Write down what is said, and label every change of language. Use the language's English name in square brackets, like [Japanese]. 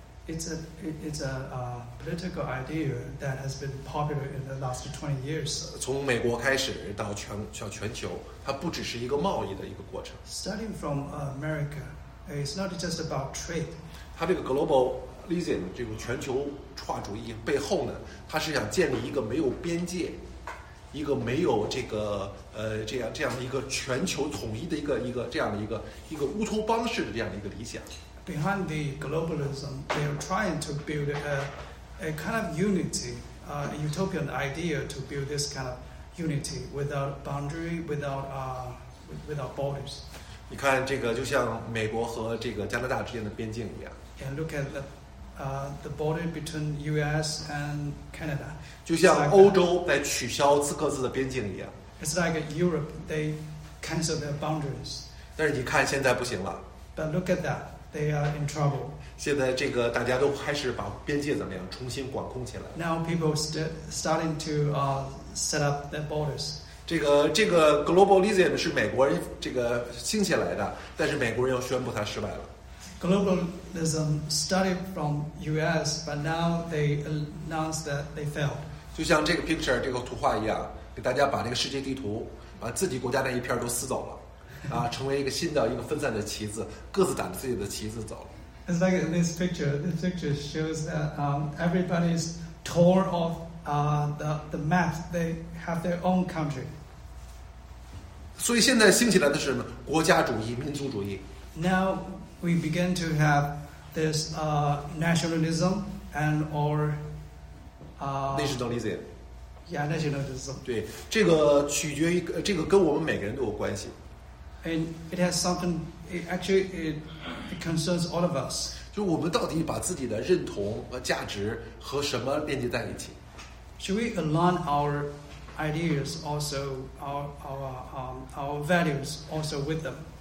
[English] It's a political idea that has been popular in the last 20 years. [Chinese] 从美国开始到全球，它不只是一个贸易的一个过程。 [English] Starting from America, it's not just about trade. [Chinese] 它这个 globalism 这个全球化主义背后呢，它是想建立一个没有边界，一个没有这个这样的一个全球统一的一个乌托邦式的这样的一个理想。 [English] Behind the globalism, they are trying to build a kind of unity, a utopian idea to build this kind of unity without boundary, without borders. [Chinese] 你看这个就像美国和这个加拿大之间的边境一样。 [English] And look at the border between U.S. and Canada. [Chinese] 就像欧洲在取消各自的边境一样。 [English] It's like Europe, they cancel their boundaries. [Chinese] 但是你看现在不行了。 [English] But look at that. They are in trouble. [Chinese] 现在这个大家都开始把边界怎么样重新管控起来。 [English] Now people starting to set up their borders. [Chinese] 这个 globalism 是美国人这个兴起来的，但是美国人又宣布它失败了。 [English] Globalism started from U.S., but now they announced that they failed. [Chinese] 就像这个 picture 这个图画一样，给大家把这个世界地图把自己国家那一片都撕走了。成为一个新的一个分散的旗子，各自打着自己的旗子走了。 [English] It's like in this picture shows that everybody's tore off the map. They have their own country. [Chinese] 所以现在兴起来的是什么？国家主义、民族主义。 [English] Now we begin to have this nationalism and or nationalism. Yeah, nationalism. [Chinese] 对，这个取决于这个跟我们每个人都有关系。 [English] And it has something. It concerns all of us. [Chinese] 就我们到底把自己的认同和价值和什么连接在一起 [English] ？Should we align our ideas also our values also with them?